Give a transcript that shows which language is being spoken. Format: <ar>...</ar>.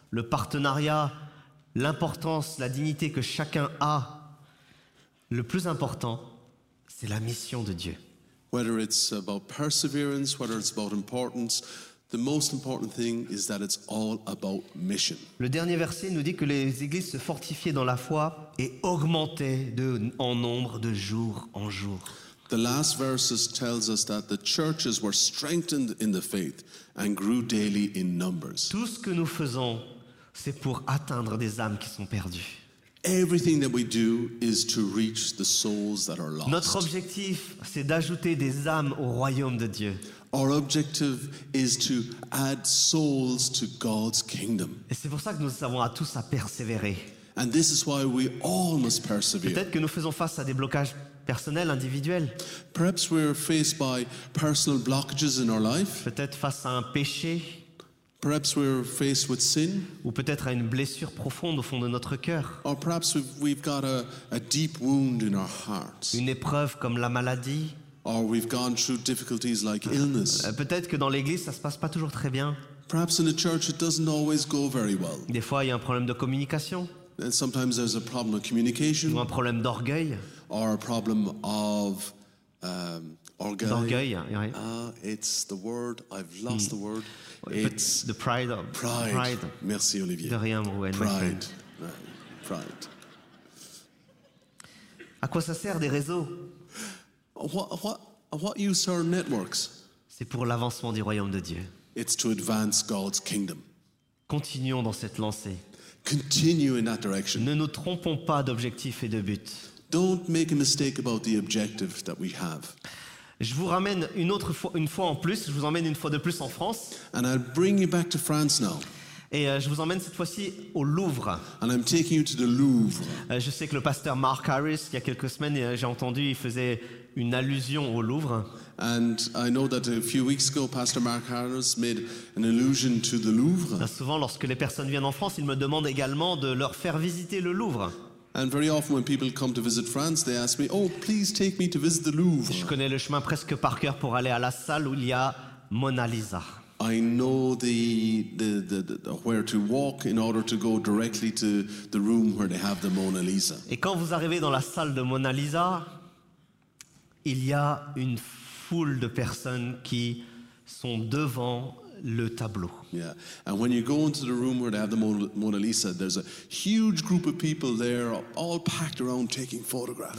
<fr>le partenariat, l'importance, la dignité que chacun a, le plus important, c'est la mission de Dieu.</fr> <en>Whether it's about perseverance, whether it's about importance, the most important thing is that it's all about mission.</en> <fr>Le dernier verset nous dit que les églises se fortifiaient dans la foi et augmentaient en nombre de jour en jour.</fr> <en>The last verses tells us that the churches were strengthened in the faith and grew daily in numbers.</en> <fr>Tout ce que nous faisons, c'est pour atteindre des âmes qui sont perdues.</fr> <en>Everything that we do is to reach the souls that are lost.</en> <fr>Notre objectif, c'est d'ajouter des âmes au royaume de Dieu.</fr> <en>Our objective is to add souls to God's kingdom.</en> <fr>Et c'est pour ça que nous avons à tous à persévérer.</fr> <en>And this is why we all must persevere.</en> <fr>Peut-être que nous faisons face à des blocages personnels, individuels.</fr> <en>Perhaps we're faced by personal blockages in our life.</en> <fr>Peut-être face à un péché.</fr> <en>Perhaps we're faced with sin.</en> <fr>Ou peut-être à une blessure profonde au fond de notre cœur.</fr> <en>Or perhaps we've got a deep wound in our hearts.</en> <fr>Une épreuve comme la maladie.</fr> <en>Or we've gone through difficulties like illness.</en> <fr>Peut-être que dans l'église ça se passe pas toujours très bien.</fr> <en>Perhaps in the church it doesn't always go very well.</en> <fr>Des fois il y a un problème de communication.</fr> <en>And sometimes there's a problem of communication.</en> <fr>Ou un problème d'orgueil.</fr> <en>Or a problem of</en> <fr>d'orgueil.</fr> <en>It's the word. I've lost the word. It's the pride. Pride.</en> <fr>Merci</fr> <en>Olivier.</en> <fr>De rien, Rouen.</fr> <en>Pride. Pride.</en> <fr>À quoi ça sert des réseaux?</fr> <en>What use are networks?</en> <fr>C'est pour l'avancement du royaume de Dieu.</fr> <en>It's to advance God's kingdom.</en> <fr>Continuons dans cette lancée.</fr> <en>Continue in that direction.</en> <fr>Ne nous trompons pas d'objectif et de but.</fr> <en>Don't make a mistake about the objective that we have.</en> <fr>Je vous ramène une fois de plus en France.</fr> <en>And I'll bring you back to France now.</en> <fr>Et je vous emmène cette fois-ci au Louvre.</fr> <en>And I'm taking you to the Louvre.</en> <fr>Je sais que le pasteur Mark Harris, il y a quelques semaines, j'ai entendu, il faisait une allusion au Louvre.</fr> <en>And I know that a few weeks ago, Pastor Mark Harris made an allusion to the Louvre.</en> <fr>Et souvent, lorsque les personnes viennent en France, ils me demandent également de leur faire visiter le Louvre.</fr> <en>And very often when people come to visit France, they ask me, oh, please take me to visit the Louvre.</en> <fr>Je connais le chemin presque par cœur pour aller à la salle où il y a Mona Lisa.</fr> <en>I know the where to walk in order to go directly to the room where they have the Mona Lisa.</en> <fr>Et quand vous arrivez dans la salle de Mona Lisa, il y a une foule de personnes qui sont devant le tableau.</fr> <en>Yeah. And when you go into the room where they have the Mona Lisa, there's a huge group of people there, all packed around taking photographs.</en>